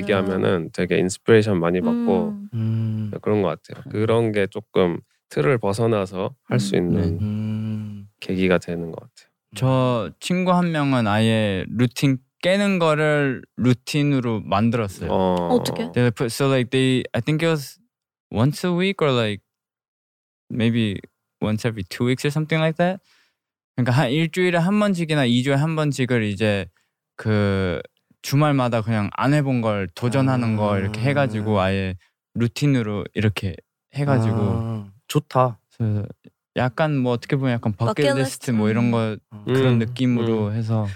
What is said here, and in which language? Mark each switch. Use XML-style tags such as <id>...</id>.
<ko>얘기하면은 되게 인스피레이션 많이 받고 그런 것 같아요. 그런 게 조금 틀을 벗어나서 할 수 있는 계기가 되는 것 같아요. 저 친구 한 명은 아예 루틴 깨는 거를 루틴으로 만들었어요. 어떻게?</ko> <en>So like they, I think it was once a week or like maybe once every 2 weeks or something like that.</en> <ko>그러니까 한 일주일에 한 번씩이나 2주에 한 번씩을 이제 그 주말마다 그냥 안 해본 걸 도전하는 거 이렇게 해가지고 아예 루틴으로 이렇게 해가지고 좋다. 약간 뭐 어떻게 보면 약간 버킷리스트 뭐 이런 거 그런 느낌으로 해서</ko>